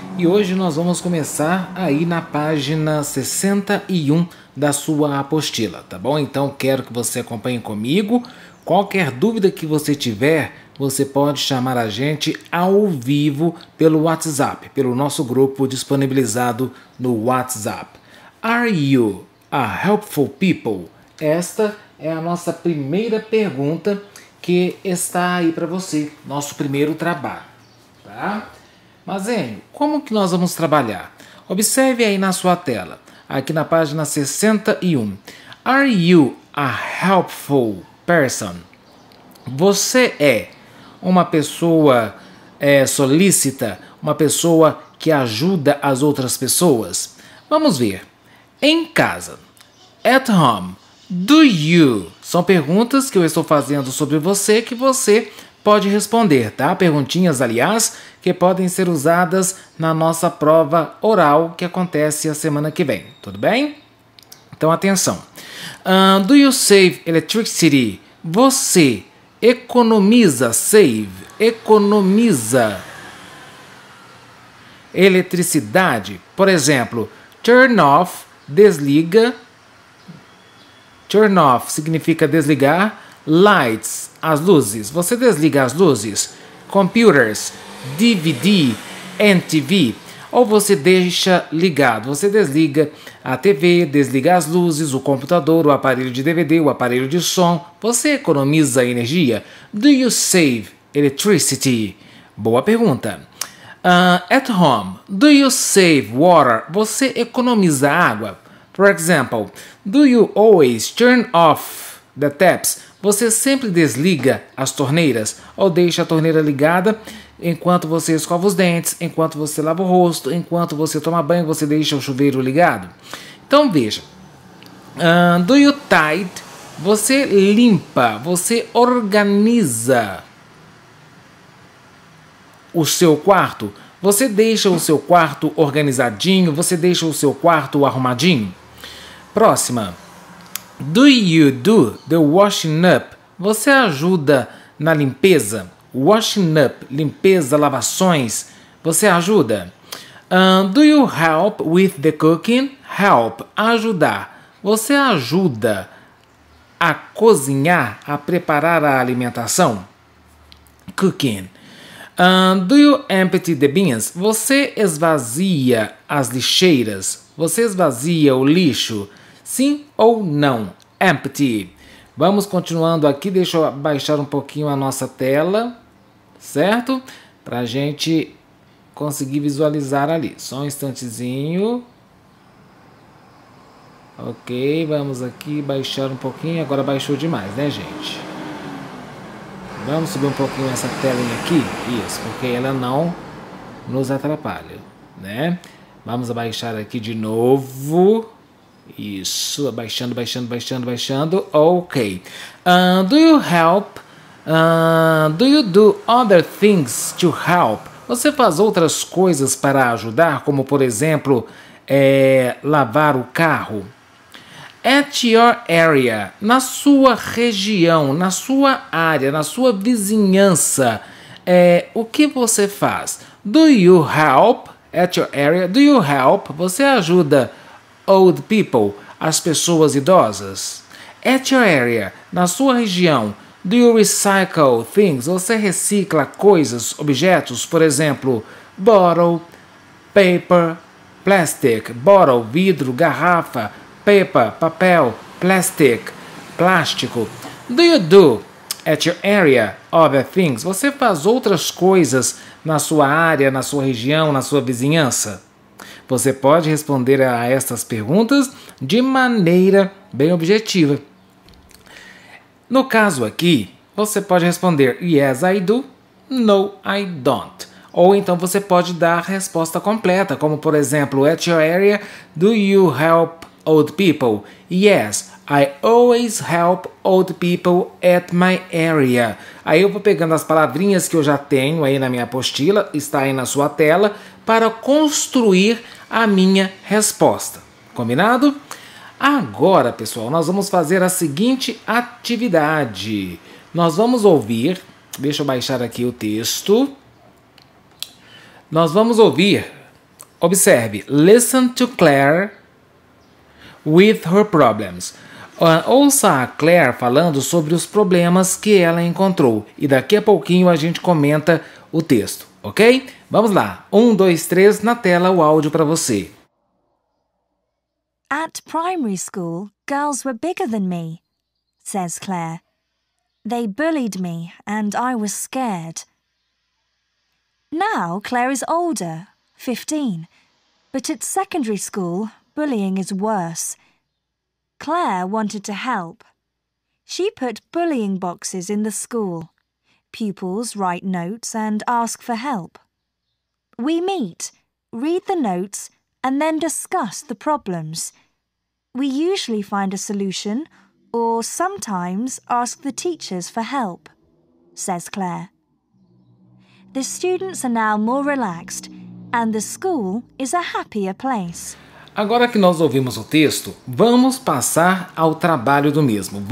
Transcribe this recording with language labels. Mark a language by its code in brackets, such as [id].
[pt] E hoje nós vamos começar aí na página 61 da sua apostila, tá bom? Então quero que você acompanhe comigo. Qualquer dúvida que você tiver, você pode chamar a gente ao vivo pelo WhatsApp, pelo nosso grupo disponibilizado no WhatsApp. [en] Are you a helpful people? [pt] Esta é a nossa primeira pergunta que está aí para você, nosso primeiro trabalho, tá? Mas, hein, como que nós vamos trabalhar? Observe aí na sua tela, aqui na página 61. [en] Are you a helpful person? [pt] Você é uma pessoa solícita, uma pessoa que ajuda as outras pessoas? Vamos ver. Em casa, [en] at home, do you? [pt] São perguntas que eu estou fazendo sobre você que você pode responder, tá? Perguntinhas, aliás, que podem ser usadas na nossa prova oral que acontece a semana que vem, tudo bem? Então, atenção. [en] Do you save electricity? [pt] Você economiza, save, economiza eletricidade? Por exemplo, turn off, desliga. Turn off significa desligar. Lights, as luzes. Você desliga as luzes. [en] Computers, DVD, MTV. [pt] Ou você deixa ligado. Você desliga a TV, desliga as luzes, o computador, o aparelho de DVD, o aparelho de som. Você economiza energia? [en] Do you save electricity? [pt] Boa pergunta. [en] At home, do you save water? [pt] Você economiza água? [en] For example, do you always turn off the taps? [pt] Você sempre desliga as torneiras ou deixa a torneira ligada enquanto você escova os dentes, enquanto você lava o rosto, enquanto você toma banho, você deixa o chuveiro ligado? Então veja. [en] Do you tidy? [pt] Você limpa, você organiza o seu quarto? Você deixa o seu quarto organizadinho? Você deixa o seu quarto arrumadinho? Próxima. [en] Do you do the washing up? [pt] Você ajuda na limpeza? Washing up, limpeza, lavações. Você ajuda? [en] Do you help with the cooking? [pt] Help, ajudar. Você ajuda a cozinhar, a preparar a alimentação? Cooking. [en] Do you empty the bins? [pt] Você esvazia as lixeiras? Você esvazia o lixo? Sim ou não? Empty. Vamos continuando aqui. Deixa eu baixar um pouquinho a nossa tela, certo? Para a gente conseguir visualizar ali. Só um instantezinho. Ok, vamos aqui baixar um pouquinho. Agora baixou demais, né, gente? Vamos subir um pouquinho essa telinha aqui. Isso, porque ela não nos atrapalha, né? Vamos abaixar aqui de novo. Isso, abaixando, baixando, baixando, baixando. [en] Ok. Do you help? Do you do other things to help? [pt] Você faz outras coisas para ajudar, como por exemplo, lavar o carro? [en] At your area, [pt] na sua região, na sua área, na sua vizinhança, o que você faz? [en] Do you help? At your area, do you help? [pt] Você ajuda [en] old people, [pt] as pessoas idosas? [en] At your area, [pt] na sua região, [en] do you recycle things? [pt] Você recicla coisas, objetos, por exemplo, bottle, paper, plastic, bottle, vidro, garrafa, paper, papel, plastic, plástico. [en] Do you do at your area other things? [pt] Você faz outras coisas na sua área, na sua região, na sua vizinhança? Você pode responder a estas perguntas de maneira bem objetiva. No caso aqui, você pode responder [en] Yes, I do. No, I don't. [pt] Ou então você pode dar a resposta completa, como por exemplo, [en] At your area, do you help old people? Yes, I always help old people at my area. [pt] Aí eu vou pegando as palavrinhas que eu já tenho aí na minha apostila, está aí na sua tela, para construir a minha resposta. Combinado? Agora, pessoal, nós vamos fazer a seguinte atividade. Nós vamos ouvir Deixa eu baixar aqui o texto. Nós vamos ouvir. Observe. [en] Listen to Claire with her problems. [pt] Ouça a Claire falando sobre os problemas que ela encontrou. E daqui a pouquinho a gente comenta o texto, ok? Vamos lá. 1, 2, 3, na tela o áudio para você. [en] At primary school, girls were bigger than me, says Claire. They bullied me and I was scared. Now Claire is older, 15, but at secondary school, bullying is worse. Claire wanted to help. She put bullying boxes in the school. Pupils write notes and ask for help. We meet, read the notes, and then discuss the problems. We usually find a solution, or sometimes ask the teachers for help, says Claire. The students are now more relaxed, and the school is a happier place. [pt] Agora que nós ouvimos o texto, vamos passar ao trabalho do mesmo.